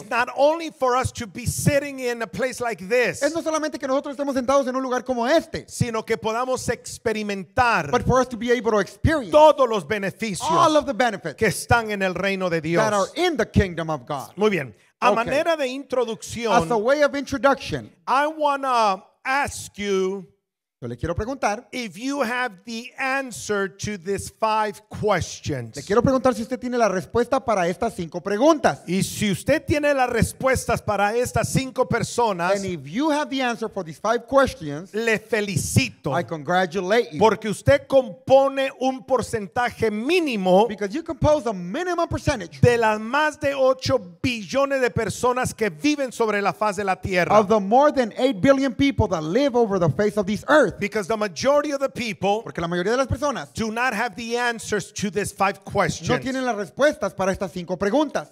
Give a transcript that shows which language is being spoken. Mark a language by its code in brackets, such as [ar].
[en] It's not only for us to be sitting in a place like this. [es] Es no solamente que nosotros estemos sentados en un lugar como este. Sino que podamos experimentar. [en] But for us to be able to experience. [es] Todos los beneficios. [en] All of the benefits. [es] Que están en el reino de Dios. [en] That are in the kingdom of God. [es] Muy bien. A manera de introducción, [en] as a way of introduction, I want to ask you, [es] yo le quiero preguntar, [en] if you have the answer to these five questions. [es] Le quiero preguntar si usted tiene la respuesta para estas cinco preguntas. Y si usted tiene las respuestas para estas cinco personas, [en] and if you have the answer for these five questions, [es] le felicito. [en] I congratulate you. [es] Porque usted compone un porcentaje mínimo, [en] because you compose a minimum percentage, [es] de las más de 8 billones de personas que viven sobre la faz de la tierra. [en] Of the more than 8 billion people that live over the face of this earth. Because the majority of the people, [es] porque la mayoría de las personas, [en] do not have the answers to these five questions. [es] No tienen las respuestas para estas cinco preguntas.